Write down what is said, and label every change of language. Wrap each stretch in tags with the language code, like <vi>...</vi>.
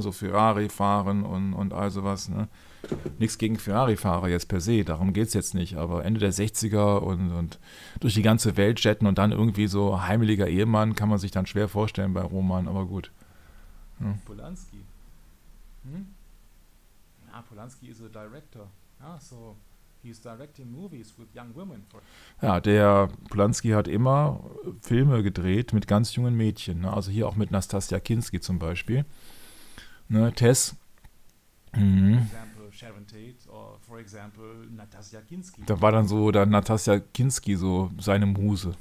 <de>So Ferrari-Fahren und all sowas, ne? Nichts gegen Ferrari-Fahrer jetzt per se, darum geht's jetzt nicht, aber Ende der 60er und durch die ganze Welt jetten und dann irgendwie so heimeliger Ehemann, kann man sich dann schwer vorstellen bei Roman, aber gut. Hm. Polanski? Hm? Ja, Polanski ist ein Director, ja, so...</de> <en>He's directing movies with young women.</en> <de>Ja, der Polanski hat immer Filme gedreht mit ganz jungen Mädchen. Ne? Also hier auch mit Nastassja Kinski zum Beispiel. Ne, Tess.</de> <en>Mhm. Example Sharon Tate or for example Nastassja Kinski.</en> <de>Da war dann so der Nastassja Kinski so seine Muse.</de>